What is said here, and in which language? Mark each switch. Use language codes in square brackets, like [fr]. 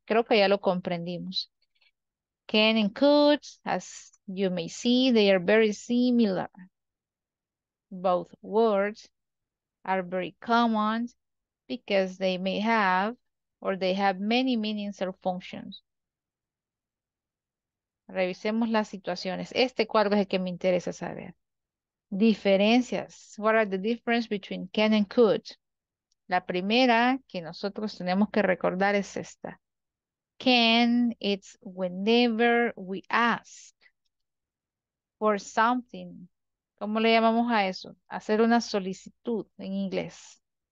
[es] Creo que ya lo comprendimos. [en] Can and could, as you may see, they are very similar. Both words are very common, because they may have, or they have many meanings or functions. [es] Revisemos las situaciones. Este cuadro es el que me interesa saber. Diferencias. [en] What are the differences between can and could? [es] La primera que nosotros tenemos que recordar es esta. [en] Can, it's whenever we ask for something. [es] ¿Cómo le llamamos a eso? Hacer una solicitud en inglés.